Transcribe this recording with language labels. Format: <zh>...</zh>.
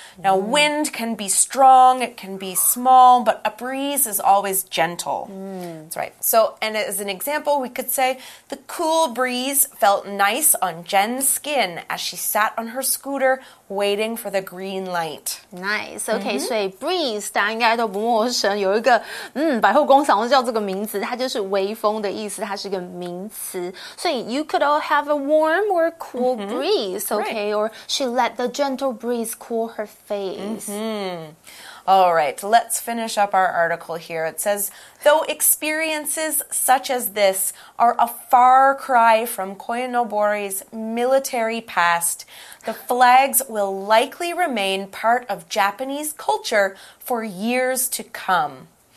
<en>Now, wind can be strong, it can be small, but a breeze is always gentle. That's right. So, and as an example, we could say, the cool breeze felt nice on Jen's skin as she sat on her scooter waiting for the green light. Nice. Okay, so</en> <zh>breeze, 大家应该都不陌生。有一个百货公司好像叫这个名字，它就是微风的意思，它是一个名词。</zh> <en>所以 you could all have a warm or cool breeze, okay? Right. Or she let the gentle breeze cool her face. All right, let's finish up our article here. It says, though experiences such as this are a far cry from Koyonobori's military past, the flags will likely remain part of Japanese culture for years to come.</en>